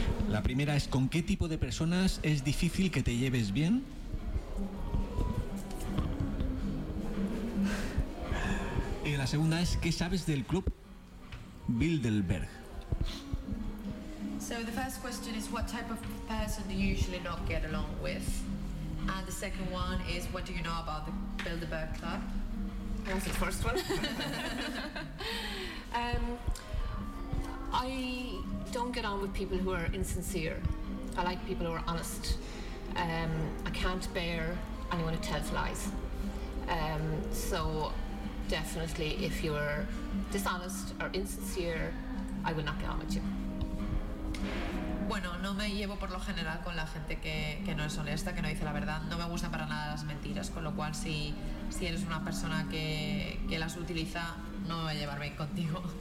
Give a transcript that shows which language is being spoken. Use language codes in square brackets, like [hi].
[es] La primera es, ¿con qué tipo de personas es difícil que te lleves bien? Y la segunda es, ¿qué sabes del club Bilderberg? [en] So the first question is, what type of person do you usually not get along with? And the second one is, what do you know about the Bilderberg Club? That's the first one. I don't get on with people who are insincere. I like people who are honest. I can't bear anyone who tells lies. So definitely if you're dishonest or insincere, I will not get on with you. [es] Bueno, no me llevo por lo general con la gente que no es honesta, que no dice la verdad. No me gustan para nada las mentiras, con lo cual si eres una persona que las utiliza, no me voy a llevar bien contigo.